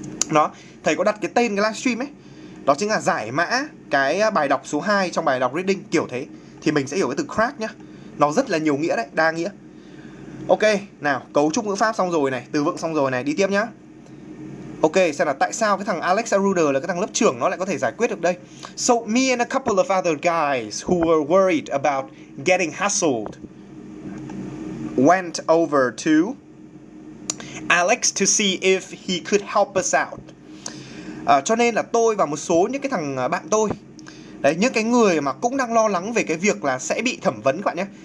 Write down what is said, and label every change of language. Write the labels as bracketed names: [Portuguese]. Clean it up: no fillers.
[Vietnamese] Đó, thầy có đặt cái tên cái livestream ấy. Đó chính là giải mã cái bài đọc số 2 trong bài đọc reading kiểu thế. Thì mình sẽ hiểu cái từ crack nhá. Nó rất là nhiều nghĩa đấy, đa nghĩa. Ok, nào, cấu trúc ngữ pháp xong rồi này, từ vựng xong rồi này, đi tiếp nhá. Ok, xem là tại sao cái thằng Alex Aruda là cái thằng lớp trưởng nó lại có thể giải quyết được đây. [English] So me and a couple of other guys who were worried about getting hassled went over to Alex to see if he could help us out. [Vietnamese] Cho nên là tôi và một số những cái thằng bạn tôi đấy, những cái người mà cũng đang lo lắng về cái việc là sẽ bị thẩm vấn các bạn nhé.